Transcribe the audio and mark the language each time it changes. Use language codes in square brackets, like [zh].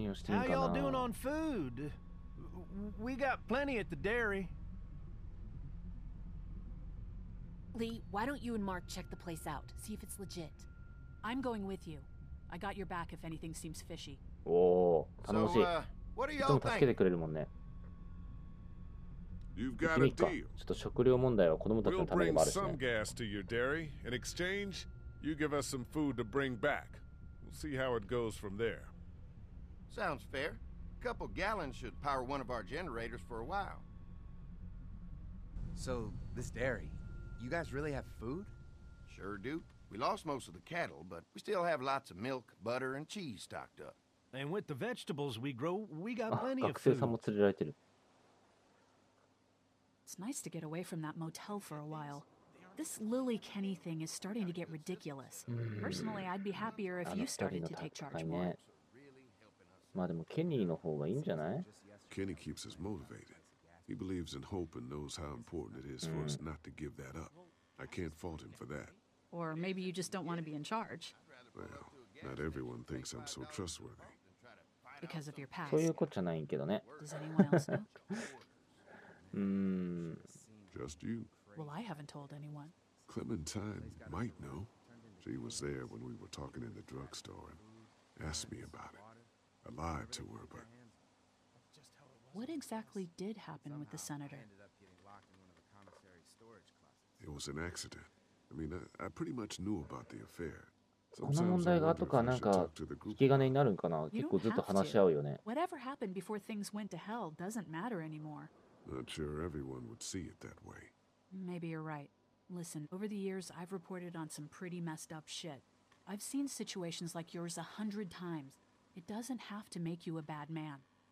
[en] How y'all doing on food? We got plenty at the dairy. Lee, why don't you and Mark check the place out? See if it's legit. I'm going with you. I got your back if anything seems fishy. [ja] Oh, 楽しい。 [en] So, what are y'all thinking? [ja] いつも助けてくれるもんね。 [en] You've got a deal. [ja] ちょっと食料問題は子供たちのためにもあるしね。 [en] We'll bring some gas to your dairy. In exchange, you give us some food to bring back. We'll see how it goes from there. Sounds fair. A couple gallons should power one of our generators for a while. So, this dairy, you guys really have food? Sure do. We lost most of the cattle, but we still have lots of milk, butter, and cheese stocked up. And with the vegetables we grow, we got plenty of food. [ja] 学生さんも連れられてる。 [en] It's nice to get away from that motel for a while. This Lily Kenny thing is starting to get ridiculous. Personally, I'd be happier if you started to take charge more. [ja] まあでもケニーの方がいいんじゃない? [en] Kenny keeps us motivated. He believes in hope and knows how important it is for us not to give that up. I can't fault him for that. Or maybe you just don't want to be in charge. Well, not everyone thinks I'm so trustworthy. Because of your past. [ja] そういうことじゃないけどね。 [en] Does anyone else know? Just you. Well, I haven't told anyone. Clementine might know. She was there when we were talking in the drugstore and asked me about it. I lied to her, but... What exactly did happen with the senator? It was an accident. I mean, I pretty much knew about the affair. [ja] この問題が後からなんか引き金になるんかな。結構ずっと話し合うよね。 [en] Whatever happened before things went to hell doesn't matter anymore. Not sure everyone would see it that way. Maybe you're right. Listen, over the years I've reported on some pretty messed up shit. I've seen situations like yours 100 times. It doesn't have to make you a bad man.